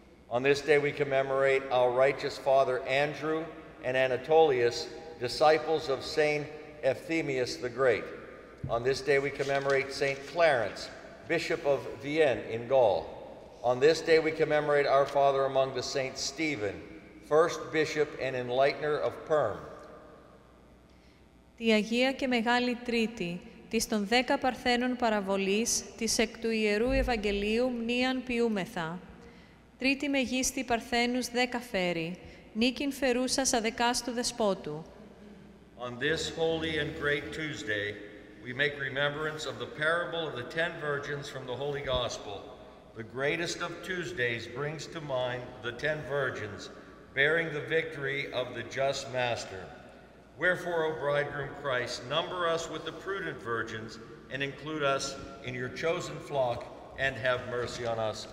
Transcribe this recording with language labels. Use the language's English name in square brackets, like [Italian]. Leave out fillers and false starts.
[English] On this day, we commemorate our righteous father Andrew and Anatolius, disciples of Saint Euthymius the Great. On this day, we commemorate St. Clarence, Bishop of Vienne in Gaul. On this day, we commemorate our father among the saints, Stephen, first bishop and enlightener of Perm. [Greek] Τη Αγία και Μεγάλη Τρίτη, της των δέκα παρθένων παραβολής, της εκ του Ιερού Ευαγγελίου μνίαν ποιούμεθα. Τρίτη μεγίστη παρθένους δέκα φέρη, νίκην φερούσας αδεκάστου δεσπότου. [English] On this holy and great Tuesday, we make remembrance of the parable of the 10 virgins from the Holy Gospel. The greatest of Tuesdays brings to mind the 10 virgins bearing the victory of the just master. Wherefore, O Bridegroom Christ, number us with the prudent virgins and include us in your chosen flock and have mercy on us.